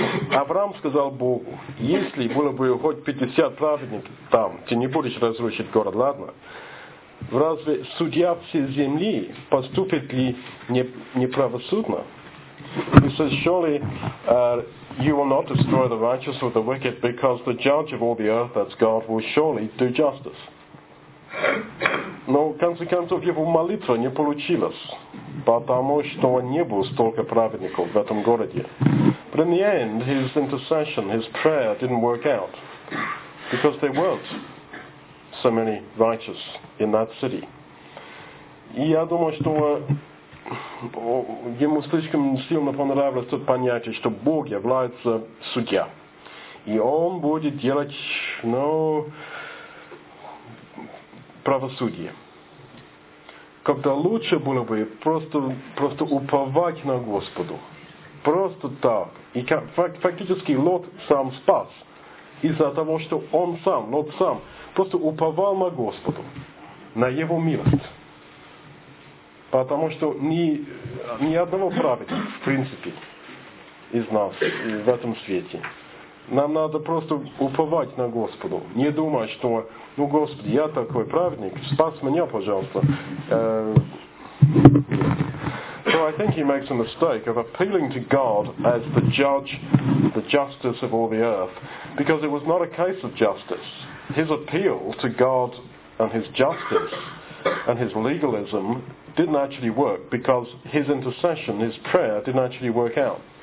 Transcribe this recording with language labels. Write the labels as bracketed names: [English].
[Russian] Авраам сказал Богу, если было бы хоть 50 праведников там, ты не будешь разрушить город, ладно? Разве судья всей земли поступит ли неправосудно? [English] He says, surely you will not destroy the righteous with the wicked, because the judge of all the earth, that's God, will surely do justice. [Russian] Но в конце концов его молитва не получилась, потому что не было столько праведников в этом городе. [English] But in the end, his intercession, his prayer didn't work out, because there weren't so many righteous in that city. [Russian] И я думаю, что ему слишком сильно понравилось тут понятие, что Бог является судья. И он будет делать, ну, правосудие. Когда лучше было бы просто уповать на Господу. Просто так. И фактически Лот сам спас. Из-за того, что он сам, Лот сам, просто уповал на Господу. На его милость. Потому что ни одного праведника, в принципе, из нас в этом свете. Нам надо просто уповать на Господу. Не думать, что, ну, Господи, я такой праведник, спас меня, пожалуйста. [English] So I think he makes a mistake of appealing to God as the judge, the justice of all the earth. Because it was not a case of justice. His appeal to God and his justice and his legalism didn't actually work, because his intercession, his prayer, didn't actually work out.